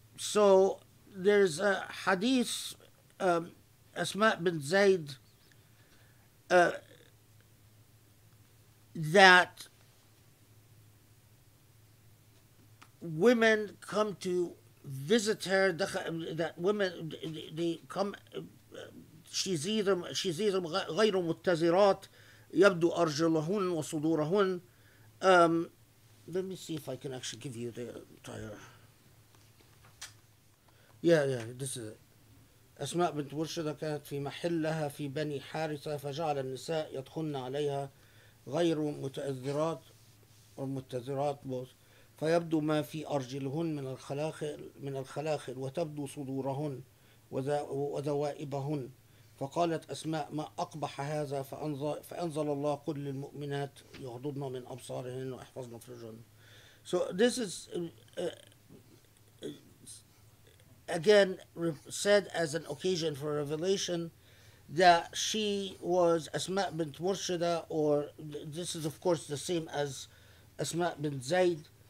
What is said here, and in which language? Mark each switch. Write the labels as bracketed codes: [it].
[en] So there's a hadith, Asma bin Zayd, that women come to visit her, that women, they come, she's either [ar] غير متزرات يبدو أرجلهن وصدورهن. [en] Let me see if I can actually give you the entire. Yeah, this is it. [ar] أسماء بنت ورشدة كانت في محلها في بني حارثة فجعل النساء يدخلن عليها غير متأذرات ومتذرات بوز فيبدو ما في أرجلهن من الخلاخل وتبدو صدورهن وذوائبهن فقالت أسماء ما أقبح هذا فأنزل الله قل للمؤمنات يغضضن من أبصارهن وأحفظن فرجهن. [en] So this is again said as an occasion for revelation that she was Asma bint Murshida, or this is of course the same as Asma bint Zayd.